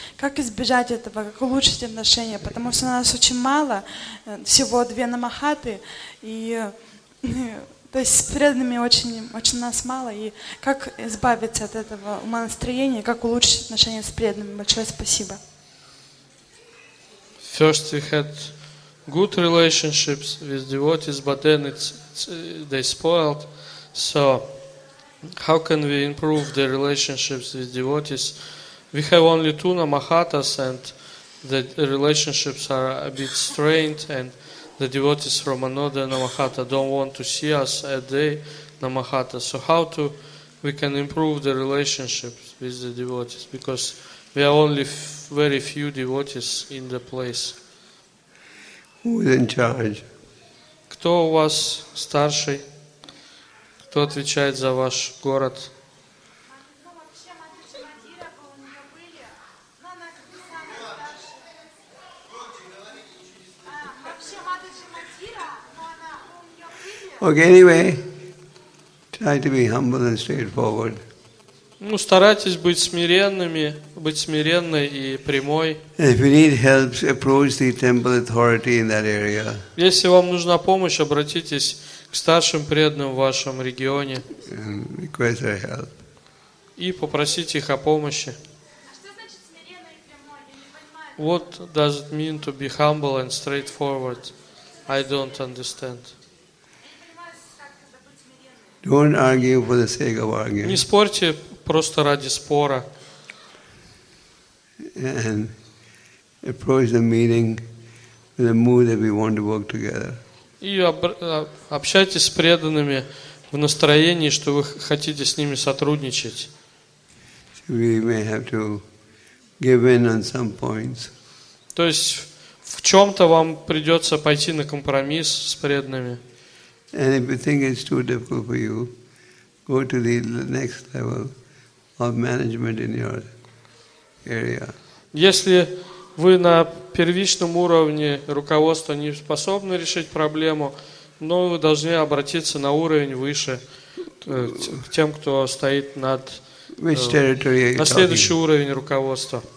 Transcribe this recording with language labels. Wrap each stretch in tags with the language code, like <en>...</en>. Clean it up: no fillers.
<ru>Как избежать этого, как улучшить отношения? Потому что у нас очень мало, всего две намахаты, и, то есть, с преданными очень нас мало, и как избавиться от этого умонастроения, как улучшить отношения с преданными? Большое спасибо.</ru> <en>First we had good relationships with devotees, but then they spoiled. So how can we improve the relationships with devotees? We have only two namahatas and the relationships are a bit strained and the devotees from another namahata don't want to see us at the namahata. So how to we can improve the relationships with the devotees? Because we are only very few devotees in the place. Who is in charge?</en> <ru>Кто у вас старший? Кто отвечает за ваш город?</ru> <en>Okay, anyway, try to be humble and straightforward.</en> <ru>Ну, старайтесь быть смиренными, быть смиренной и прямой.</ru> <en>If you need help, approach the temple authority in that area.</en> <ru>Если вам нужна помощь, обратитесь к старшим преданным в вашем регионе.</ru> <en>And request their help.</en> <ru>И попросите их о помощи. А что значит смиренно и прямой? Я не понимаю.</ru> <en>What does it mean to be humble and straightforward? I don't understand. Don't argue for the sake of arguing.</en> <ru>Не спорьте просто ради спора.</ru> <en>And approach the meeting with a mood that we want to work together.</en> <ru>И общайтесь с преданными в настроении, что вы хотите с ними сотрудничать.</ru> <en>So we may have to give in on some points.</en> <ru>То есть в чем-то вам придется пойти на компромисс с преданными.</ru> <en>And if you think it's too difficult for you, go to the next level of management in your area.</en> <ru>Если вы на первичном уровне руководства не способны решить проблему, но вы должны обратиться на уровень выше, к тем, кто стоит над на следующий уровень руководства.</ru>